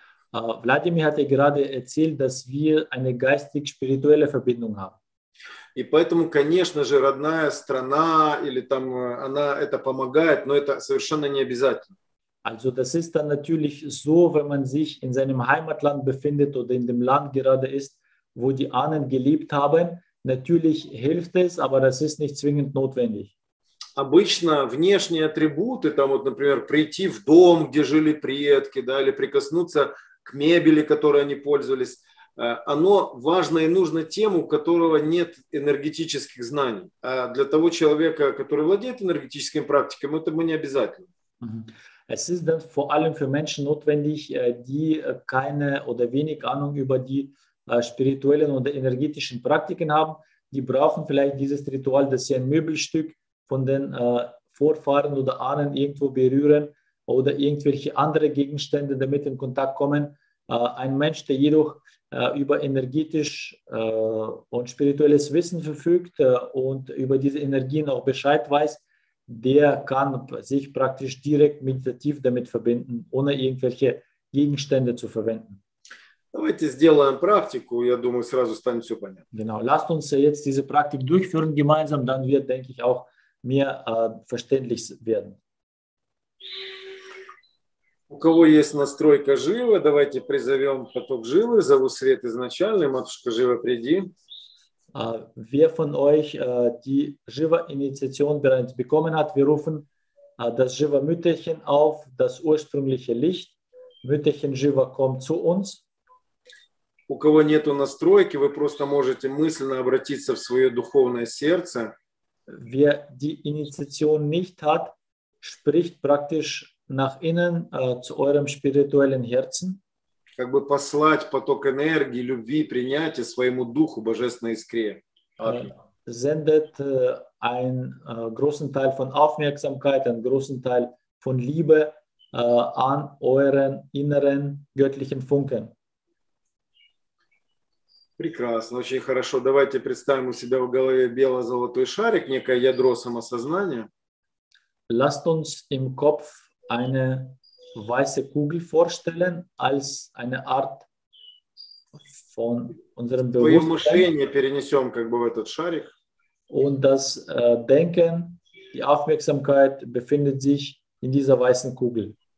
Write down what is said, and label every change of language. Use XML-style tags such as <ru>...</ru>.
<de>Владимир hat ja gerade erzählt, dass wir eine geistig-spirituelle Verbindung haben.</de> <ru>И поэтому, конечно же, родная страна или там она это помогает, но это совершенно не обязательно.</ru> <de>Also das ist dann natürlich so, wenn man sich in seinem Heimatland befindet oder in dem Land gerade ist, wo die Ahnen gelebt haben, natürlich hilft es, aber das ist nicht zwingend notwendig.</de> <ru>Обычно внешние атрибуты, там вот, например, прийти в дом, где жили предки, да, или прикоснуться к мебели, которой они пользовались, оно важно и нужно тем, у которого нет энергетических знаний. А для того человека, который владеет энергетическими практиками, это мы не обязательно.</ru> <de>Es ist dann vor allem für Menschen notwendig, die keine oder wenig Ahnung über die spirituellen oder energetischen Praktiken haben. Die brauchen vielleicht dieses Ritual, dass sie ein Möbelstück von den Vorfahren oder Ahnen irgendwo berühren oder irgendwelche andere Gegenstände damit in Kontakt kommen. Ein Mensch, der jedoch über energetisch und spirituelles Wissen verfügt und über diese Energien auch Bescheid weiß, der kann sich praktisch direkt meditativ damit verbinden, ohne irgendwelche Gegenstände zu verwenden.</de> <ru>Давайте сделаем практику, я думаю, сразу станет все понятно.</ru> <de>Genau, lasst uns jetzt diese Praktik durchführen gemeinsam, dann wird, denke ich, auch mehr verständlich werden.</de> <ru>У кого есть настройка живы, давайте призовем поток живы, зову свет изначальный, матушка живо приди.</ru> <de>Wer von euch die Jiva-Initiation bereits bekommen hat, wir rufen das Jiva-Mütterchen auf, das ursprüngliche Licht. Mütterchen Jiva kommt zu uns.</de> <ru>У кого нету настройки, вы просто можете мысленно обратиться в свое духовное сердце.</ru> <de>Wer die Initiation nicht hat, spricht praktisch nach innen zu eurem spirituellen Herzen.</de> <ru>Как бы послать поток энергии, любви, принятия своему духу, божественной искре.</ru> <de>Sendet einen großen Teil von Aufmerksamkeit, einen großen Teil von Liebe an euren inneren göttlichen Funken.</de> <ru>Прекрасно, очень хорошо. Давайте представим у себя в голове бело-золотой шарик, некое ядро самосознания.</ru> <de>Lasst uns im Kopf eine weiße Kugel vorstellen als eine Art von unserem Bewusstsein. Und das Denken, die Aufmerksamkeit befindet sich in dieser weißen Kugel.</de>